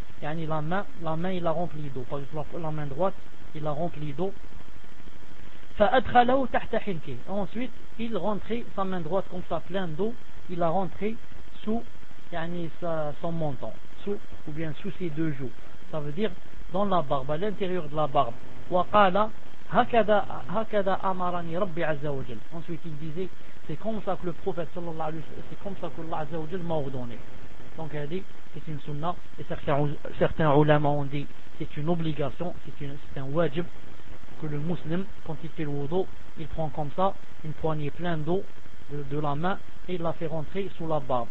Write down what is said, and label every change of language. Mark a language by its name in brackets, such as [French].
[French] Yani la main, il a rempli d'eau. Par exemple, la main droite, il a rempli d'eau. [Arabic] Fa'adkhalahu tahta hinkih. [French] Ensuite, il rentrait sa main droite comme ça, plein d'eau. Il a rentré sous يعني son menton ou bien sous ses deux joues, ça veut dire dans la barbe, à l'intérieur de la barbe. [Arabic] وقال هكذا أمرني ربي عز وجل. [French] Ensuite il disait c'est comme ça que le prophète sallallahu alayhi wa sallam, c'est comme ça que Allah عز وجل m'a ordonné. Donc il a dit c'est une sunna, et certains ulama ont dit c'est une obligation, c'est un wajib que le musulman, quand il fait le wudu, il prend comme ça une poignée pleine d'eau de la main et il la fait rentrer sous la barbe.